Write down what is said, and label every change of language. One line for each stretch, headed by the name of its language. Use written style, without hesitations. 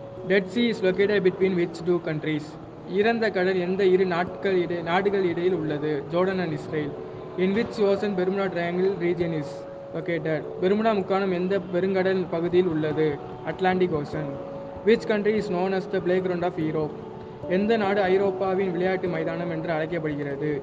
English: Dead Sea is located between which two countries?
Tamil: இறந்த கடல் எந்த இரு நாடுகள் இடையில் உள்ளது?
English: Jordan and Israel. In which ocean Bermuda Triangle region is located?
Tamil: Bermuda முக்கோணம் எந்த பெருங்கடல் பகுதியில் உள்ளது?
English: Atlantic Ocean. Which country is known as the playground of Europe?
Tamil: எந்த நாடு ஐரோப்பாவின் விளையாட்டு மைதானம் என்று அழைக்கப்படுகிறது?